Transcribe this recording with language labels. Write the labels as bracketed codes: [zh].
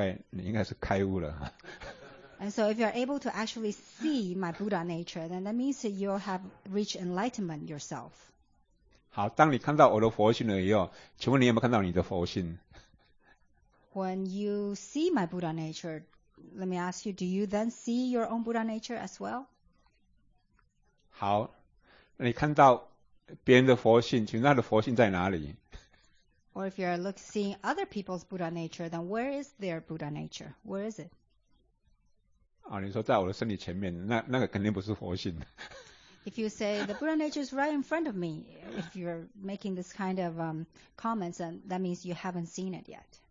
[zh] 所以如果你看到我的佛性，大概你应该是开悟了。 [en] And so if you are able to actually see my Buddha nature, then that means that you have reached enlightenment yourself. [zh] 好，当你看到我的佛性了以后，请问你有没有看到你的佛性？ [en] When you see my Buddha nature, let me ask you, do you then see your own Buddha nature as well? [zh] 好，你看到别人的佛性，请问他的佛性在哪里？ [en] Or if you are seeing other people's Buddha nature, then where is their Buddha nature? Where is it? [zh] 啊，你说在我的身体前面，那个肯定不是佛性。 [en] If you say the Buddha nature is right in front of me, if you're making this kind of comments, then that means you haven't seen it yet.